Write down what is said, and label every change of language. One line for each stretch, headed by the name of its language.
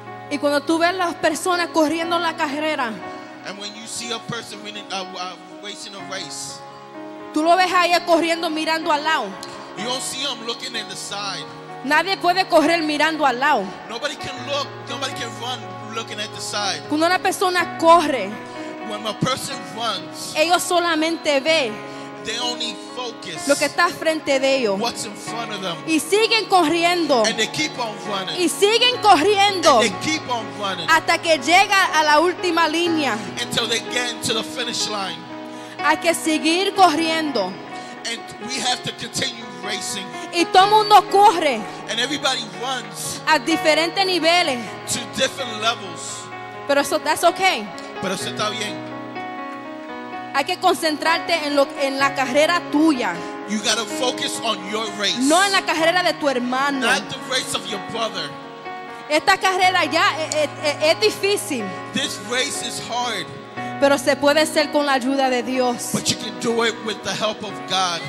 Spanish: y cuando tú ves las personas corriendo la carrera,
English: and when you see a person winning, racing a race,
Spanish: tú lo ves ahí corriendo mirando al lado.
English: You don't see them looking in the side.
Spanish: Nadie puede correr mirando al lado.
English: Nobody can look. Nobody can run looking at the side.
Spanish: Cuando una persona corre,
English: when a person runs,
Spanish: ellos solamente ve,
English: they only focus,
Spanish: lo que está frente de ellos.
English: What's in front of them.
Spanish: Y siguen corriendo.
English: And they keep on running.
Spanish: Y siguen corriendo.
English: And they keep on running.
Spanish: Hasta que llega a la última línea.
English: Until they get into the finish line.
Spanish: Hay que seguir corriendo.
English: And we have to continue. Racing.
Spanish: Y todo mundo corre.
English: And everybody runs.
Spanish: A diferentes niveles.
English: To different levels.
Spanish: Pero eso,
English: that's okay.
Spanish: Pero eso está bien. Hay que concentrarte en lo, en la carrera tuya.
English: You gotta focus on your race.
Spanish: No en la carrera de tu hermano.
English: Not the race of your brother.
Spanish: Esta carrera ya es difícil.
English: This race is hard.
Spanish: Pero se puede hacer con la ayuda de Dios.
English: But you can do it with the help of God.